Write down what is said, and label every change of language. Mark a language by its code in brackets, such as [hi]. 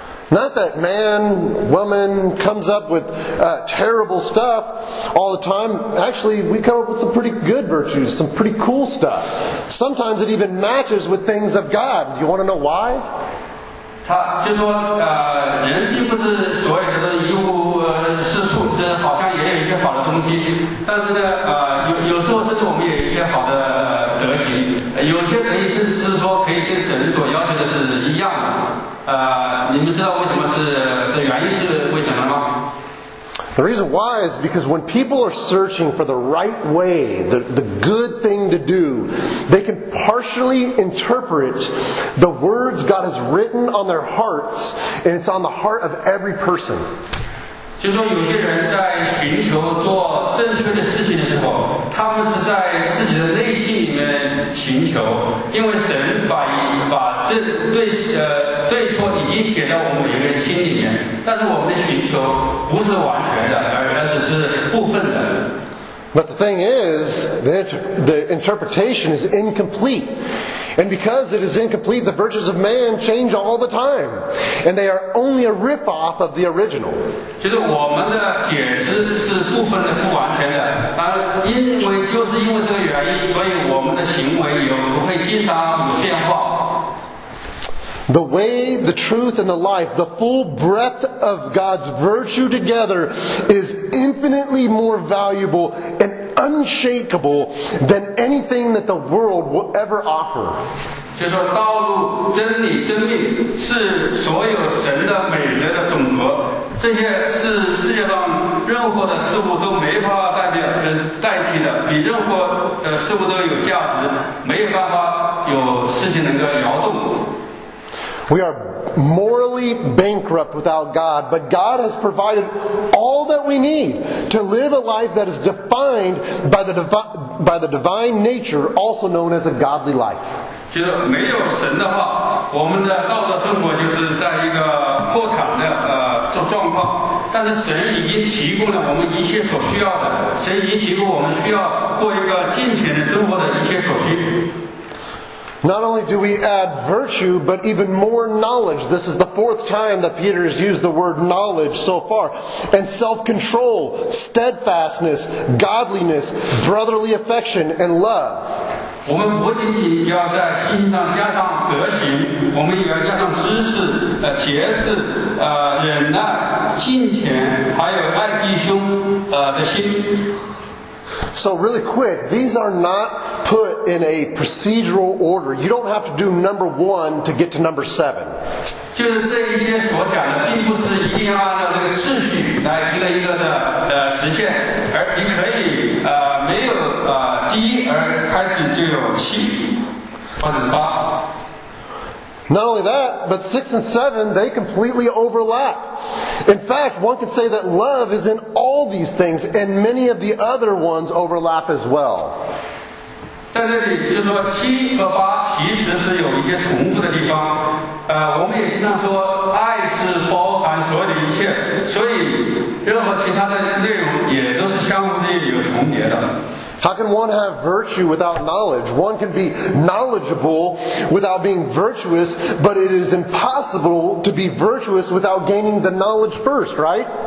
[en] Not that man, woman comes up with terrible stuff all the time. Actually, we come up with some pretty good virtues, some pretty cool stuff. Sometimes it even matches with things of God. Do you want to know why? [zh] 他就说人并不是所有的一无是处，是好像也有一些好的东西，但是呢有时候甚至我们也有一些好的德行，有些人意思是说可以跟神所要求的是一样的。你们知道为什么是这原因是为什么吗？ [en] The reason why is because when people are searching for the right way, the good thing to do, they can partially interpret the words God has written on their hearts, and it's on the heart of every person. [zh] 就是说有些人在寻求做正确的事情的时候，他们是在自己的内心里面寻求，因为神把正对对错已经写在我们每个人心里面，但是我们的寻求不是完全的，而只是部分的。 [en] But the thing is, the interpretation is incomplete. And because it is incomplete, the virtues of man change all the time. And they are only a rip-off of the original. [zh] 就是我们的解释是部分的、不完全的。因为就是因为这个原因，所以我们的行为也不会经常有变化。 [en] The way, the truth, and the life, the full breadth of God's virtue together is infinitely more valuable and unshakable than anything that the world will ever offer. [zh] 就是道路、真理、生命是所有神的美德的总和，这些是世界上任何的事物都没法代替的，比任何事物都有价值，没有办法有事情能够摇动。 [en] We are morally bankrupt without God, but God has provided all that we need to live a life that is defined by the divine nature, also known as a godly life. [zh] 就是没有神的话，我们的道德生活就是在一个破产的状况。但是神已经提供了我们一切所需要的，神已经提供我们需要过一个健全的生活的一切所需。 [en] Not only do we add virtue, but even more knowledge. This is the fourth time that Peter has used the word knowledge so far. And self-control, steadfastness, godliness, brotherly affection, and love. [zh] 我们不仅仅要在信上加上德行，我们也要加上知识、节制、忍耐、敬虔，还有爱弟兄的心。 [en] So really quick, these are not put in a procedural order. You don't have to do number one to get to number seven. [zh] 就是这一些所讲的，并不是一定要按照这个次序来一个一个的实现，而你可以没有第一而开始就有七或者八。 [en] Not only that, but 6 and 7, they completely overlap. In fact, one could say that love is in all these things, and many of the other ones overlap as well. [zh] 在这里就是说七和八其实是有一些重复的地方。我们也经常说爱是包含所有的一切，所以任何其他的内容也都是相互之间有重叠的。 [en] How can one have virtue without knowledge? One can be knowledgeable without being virtuous, but it is impossible to be virtuous without gaining the knowledge first, right?